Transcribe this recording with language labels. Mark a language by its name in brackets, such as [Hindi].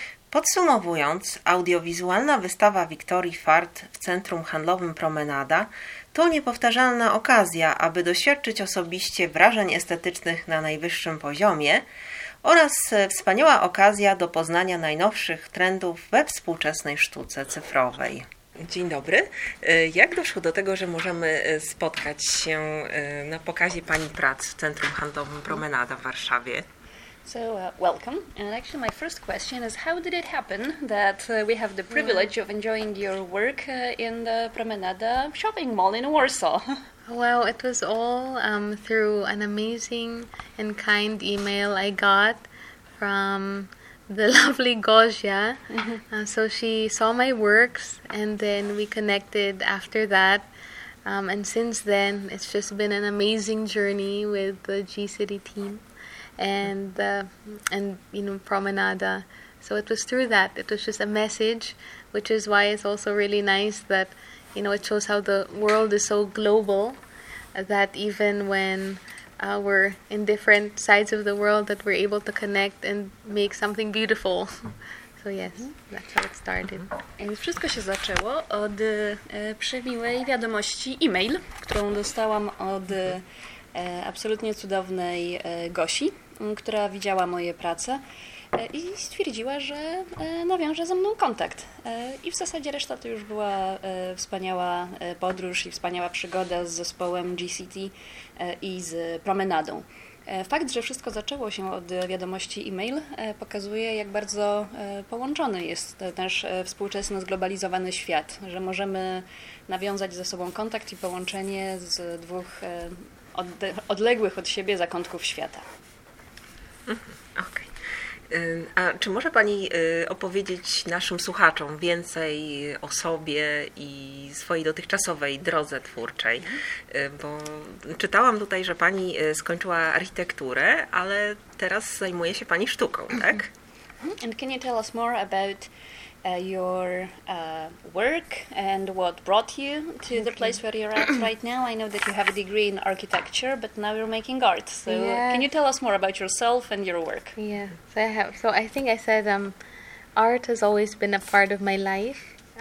[Polish] Podsumowując, audiowizualna wystawa Victorie Fard w Centrum Handlowym Promenada to niepowtarzalna okazja, aby doświadczyć osobiście wrażeń estetycznych na najwyższym poziomie oraz wspaniała okazja do poznania najnowszych trendów we współczesnej sztuce cyfrowej. Dzień dobry. Jak doszło do tego, że możemy spotkać się na pokazie Pani prac w Centrum Handlowym Promenada w Warszawie? [English] So, welcome. And actually my first question is, how did it happen that we have the privilege of enjoying your work in the Promenada shopping mall in Warsaw? Well, it was all through an amazing and kind email I got from the lovely Gosia. So she saw my works and then we connected after that. And since then, it's just been an amazing journey with the G-City team and you know, Promenada. So it was through that. It was just a message, which is why it's also really nice that, you know, it shows how the world is so global, that even when we're in different sides of the world, that we're able to connect and make something beautiful. So yes, that's how it started. [Polish] And wszystko się zaczęło od przemiłej wiadomości e-mail, którą dostałam od absolutnie cudownej Gosi, która widziała moje prace i stwierdziła, że nawiąże ze mną kontakt. I w zasadzie reszta to już była wspaniała podróż i wspaniała przygoda z zespołem G-City i z Promenadą. Fakt, że wszystko zaczęło się od wiadomości e-mail, pokazuje, jak bardzo połączony jest nasz współczesny, zglobalizowany świat, że możemy nawiązać ze sobą kontakt i połączenie z dwóch odległych od siebie zakątków świata. Okej. A czy może Pani opowiedzieć naszym słuchaczom więcej o sobie i swojej dotychczasowej drodze twórczej? Bo czytałam tutaj, że Pani skończyła architekturę, ale teraz zajmuje się Pani sztuką, tak? [English] And can you tell us more about your work and what brought you to the place where you're at right now? I know that you have a degree in architecture, but now you're making art. So can you tell us more about yourself and your work? Yeah, so I have. So I think I said art has always been a part of my life.